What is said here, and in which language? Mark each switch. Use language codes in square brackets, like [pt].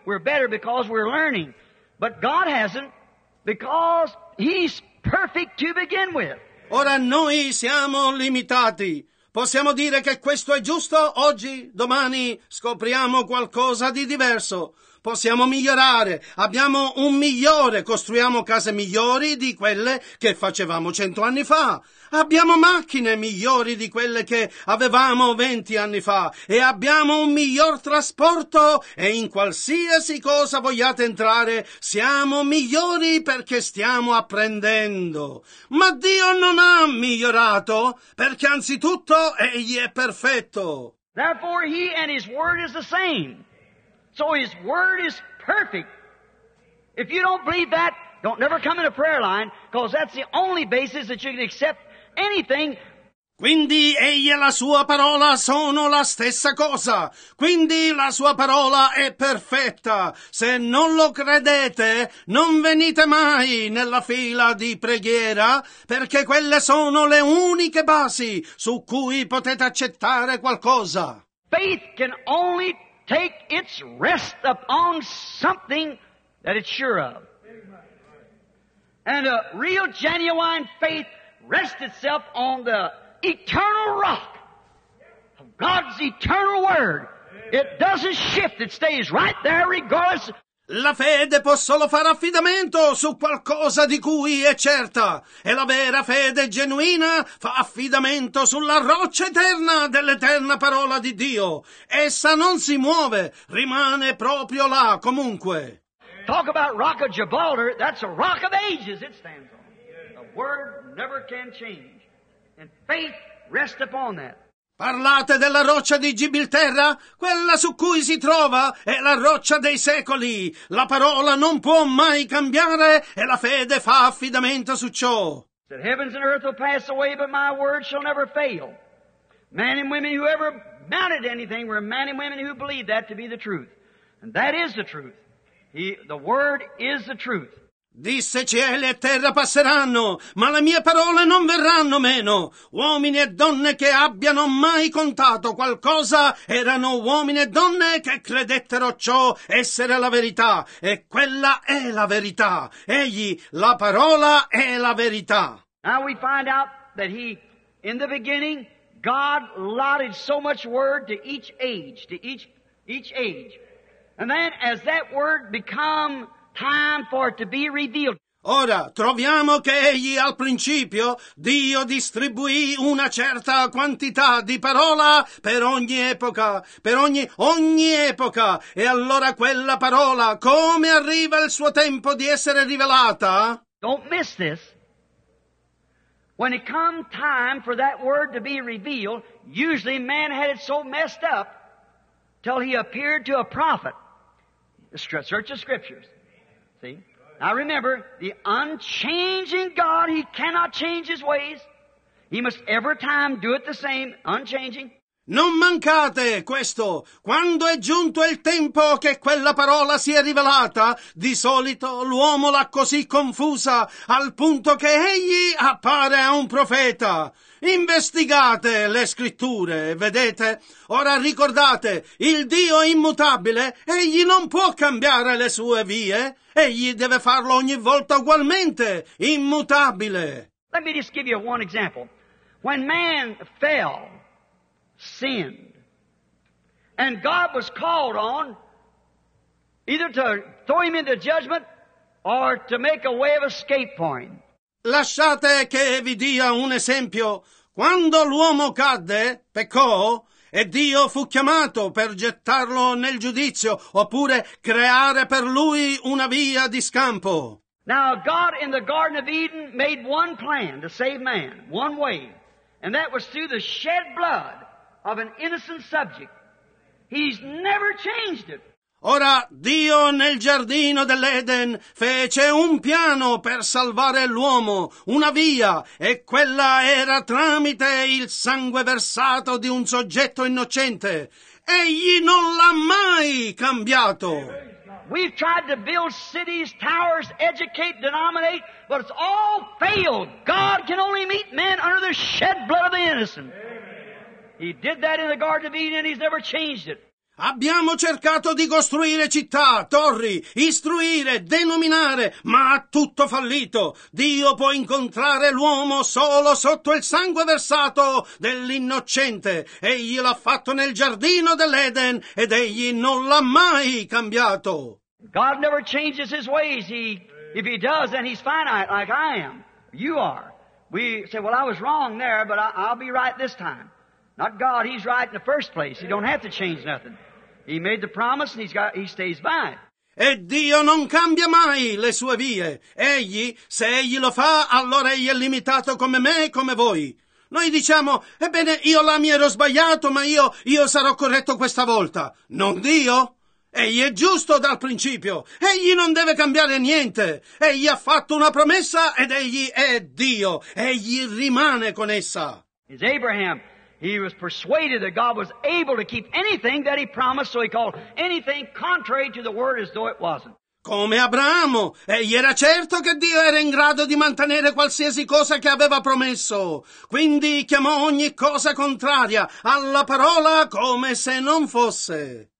[en] We're better because we're learning. But God hasn't, because He's perfect to begin with. [it] Ora noi siamo limitati. Possiamo dire che questo è giusto? Oggi, domani, scopriamo qualcosa di diverso. Possiamo migliorare, abbiamo un migliore, costruiamo case migliori di quelle che facevamo 100 anni fa. Abbiamo macchine migliori di quelle che avevamo 20 anni fa. E abbiamo un miglior trasporto e in qualsiasi cosa vogliate entrare, siamo migliori perché stiamo apprendendo. Ma Dio non ha migliorato perché anzitutto Egli è perfetto. [en] Therefore He and His Word is the same. So His Word is perfect. If you don't believe that, don't never come in a prayer line, because that's the only basis that you can accept anything. [it] Quindi egli e la sua parola sono la stessa cosa. Quindi la sua parola è perfetta. Se non lo credete, non venite mai nella fila di preghiera, perché quelle sono le uniche basi su cui potete accettare qualcosa. [en] Faith can only take its rest upon something that it's sure of. And a real genuine faith rests itself on the eternal rock of God's eternal word. It doesn't shift. It stays right there regardless. [it] La fede può solo fare affidamento su qualcosa di cui è certa. E la vera fede genuina fa affidamento sulla roccia eterna dell'eterna parola di Dio. Essa non si muove, rimane proprio là comunque. [en] Talk about Rock of Gibraltar, that's a rock of ages it stands on. The word never can change. And faith rests upon that. [it] Parlate della roccia di Gibilterra? Quella su cui si trova è la roccia dei secoli. La parola non può mai cambiare e la fede fa affidamento su ciò. [en] The heavens and earth will pass away, but my word shall never fail. Men and women who ever mounted anything were men and women who believed that to be the truth. And that is the truth. The word is the truth. [it] Disse: cieli e terra passeranno, ma le mie parole non verranno meno. Uomini e donne che abbiano mai contato qualcosa erano uomini e donne che credettero ciò essere la verità. E quella è la verità. Egli, la parola, è la verità. [en] Now we find out that he, in the beginning, God allotted so much word to each age, to each age. And then as that word become time for it to be revealed. [it] Ora troviamo che egli al principio Dio distribuì una certa quantità di parola per ogni epoca, per ogni epoca, e allora quella parola come arriva il suo tempo di essere rivelata? [en] Don't miss this. When it come time for that word to be revealed, usually man had it so messed up till he appeared to a prophet. Search the scriptures. Now remember, the unchanging God, he cannot change his ways. He must every time do it the same, unchanging. [it] Non mancate questo. Quando è giunto il tempo che quella parola sia rivelata, di solito l'uomo l'ha così confusa al punto che egli appare a un profeta. Investigate le scritture, vedete? Ora ricordate, il Dio immutabile, egli non può cambiare le sue vie. Egli deve farlo ogni volta ugualmente, immutabile. [en] Let me just give you one example. When man fell, sinned, and God was called on either to throw him into judgment or to make a way of escape for him. [it] Lasciate che vi dia un esempio. Quando l'uomo cadde, peccò, e Dio fu chiamato per gettarlo nel giudizio, oppure creare per lui una via di scampo. [en] Now, God in the Garden of Eden made one plan to save man, one way, and that was through the shed blood of an innocent subject. He's never changed it. [it] Ora, Dio nel giardino dell'Eden fece un piano per salvare l'uomo, una via, e quella era tramite il sangue versato di un soggetto innocente. Egli non l'ha mai cambiato. [en] We've tried to build cities, towers, educate, denominate, but it's all failed. God can only meet men under the shed blood of the innocent. He did that in the Garden of Eden and he's never changed it. [it] Abbiamo cercato di costruire città, torri, istruire, denominare, ma ha tutto fallito. Dio può incontrare l'uomo solo sotto il sangue versato dell'innocente. Egli l'ha fatto nel giardino dell'Eden ed egli non l'ha mai cambiato. [en] God never changes his ways. If he does, then he's finite like I am. You are. We say, well, I was wrong there, but I'll be right this time. Not God, he's right in the first place. He don't have to change nothing. He made the promise and he stays by it. [it] E Dio non cambia mai le sue vie. Egli, se egli lo fa, allora egli è limitato come me e come voi. Noi diciamo, ebbene, io là mi ero sbagliato, ma io sarò corretto questa volta. Non Dio. Egli è giusto dal principio. Egli non deve cambiare niente. Egli ha fatto una promessa ed egli è Dio. Egli rimane con essa. [en] Is Abraham. He was persuaded that God was able to keep anything that he promised, so he called anything contrary to the word as though it wasn't. [it] Come Abramo, egli era certo che Dio era in grado di mantenere qualsiasi cosa che aveva promesso. Quindi chiamò ogni cosa contraria alla parola come se non fosse.